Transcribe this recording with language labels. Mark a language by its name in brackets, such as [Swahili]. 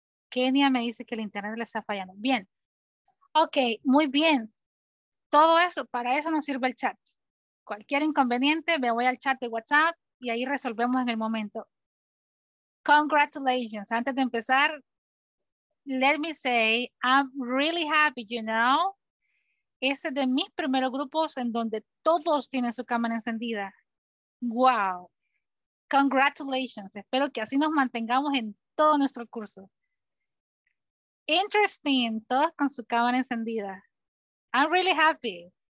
[Spanish] Kenia me dice que el internet le está fallando. Bien. Ok, muy bien. Todo eso, para eso nos sirve el chat. Cualquier inconveniente, me voy al chat de WhatsApp y ahí resolvemos en el momento. Congratulations. Antes de empezar, [English] let me say, I'm really happy, you know. [Spanish] Ese de mis primeros grupos en donde todos tienen su cámara encendida. Wow. Congratulations. Espero que así nos mantengamos en todo nuestro curso. Interesting. Todos con su cámara encendida. [English] I'm really happy.